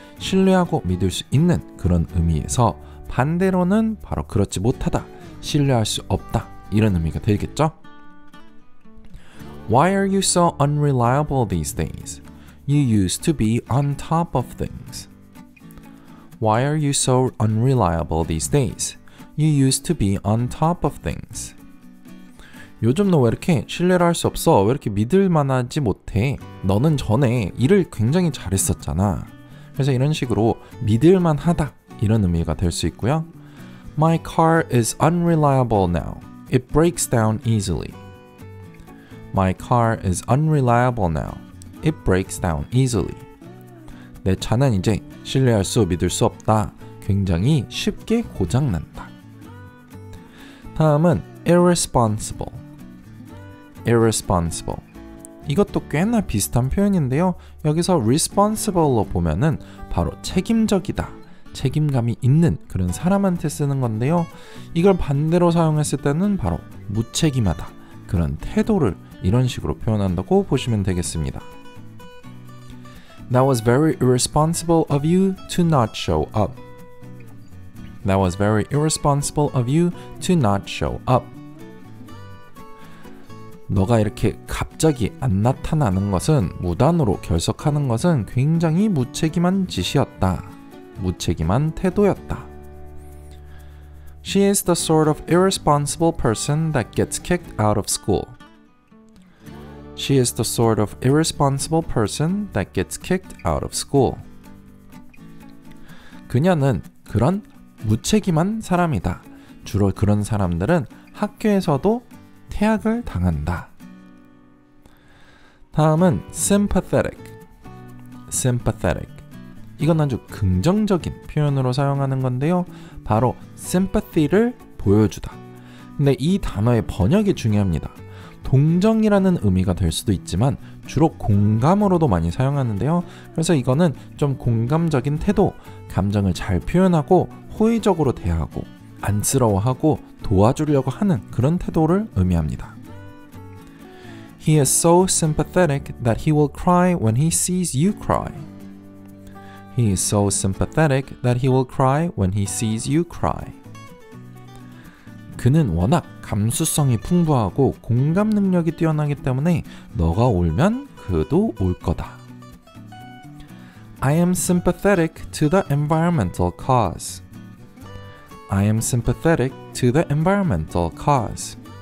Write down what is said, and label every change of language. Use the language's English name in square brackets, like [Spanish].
[Korean] 신뢰하고 믿을 수 있는 그런 의미에서 반대로는 바로 그렇지 못하다. 신뢰할 수 없다 이런 의미가 되겠죠? [English] Why are you so unreliable these days? You used to be on top of things. Why are you so unreliable these days? You used to be on top of things. [Korean] 요즘 너 왜 이렇게 신뢰를 할 수 없어? 왜 이렇게 믿을만하지 못해? 너는 전에 일을 굉장히 잘했었잖아. 그래서 이런 식으로 믿을만하다 이런 의미가 될 수 있고요. [English] My car is unreliable now. It breaks down easily. My car is unreliable now. It breaks down easily. [Korean] 내 차는 이제 신뢰할 수, 믿을 수 없다. 굉장히 쉽게 고장난다. 다음은 irresponsible. [English] irresponsible. [Korean] 이것도 꽤나 비슷한 표현인데요. 여기서 responsible로 보면은 바로 책임적이다. 책임감이 있는 그런 사람한테 쓰는 건데요. 이걸 반대로 사용했을 때는 바로 무책임하다. 그런 태도를 이런 식으로 표현한다고 보시면 되겠습니다. [English] That was very irresponsible of you to not show up. That was very irresponsible of you to not show up. [Korean] 너가 이렇게 갑자기 안 나타나는 것은 무단으로 결석하는 것은 굉장히 무책임한 짓이었다. 무책임한 태도였다. [English] She is the sort of irresponsible person that gets kicked out of school. She is the sort of irresponsible person that gets kicked out of school. [Korean] 그녀는 그런 무책임한 사람이다. 주로 그런 사람들은 학교에서도 퇴학을 당한다. 다음은 sympathetic. [English] sympathetic. [Korean] 이건 아주 긍정적인 표현으로 사용하는 건데요. 바로 sympathy를 보여주다. 근데 이 단어의 번역이 중요합니다. 동정이라는 의미가 될 수도 있지만 주로 공감으로도 많이 사용하는데요. 그래서 이거는 좀 공감적인 태도, 감정을 잘 표현하고 호의적으로 대하고 안쓰러워하고 도와주려고 하는 그런 태도를 의미합니다. [English] He is so sympathetic that he will cry when he sees you cry. He is so sympathetic that he will cry when he sees you cry. [Korean] 그는 워낙 감수성이 풍부하고 공감 능력이 뛰어나기 때문에 너가 울면 그도 울 거다. [English] I am sympathetic to the environmental cause. I am sympathetic to the environmental cause.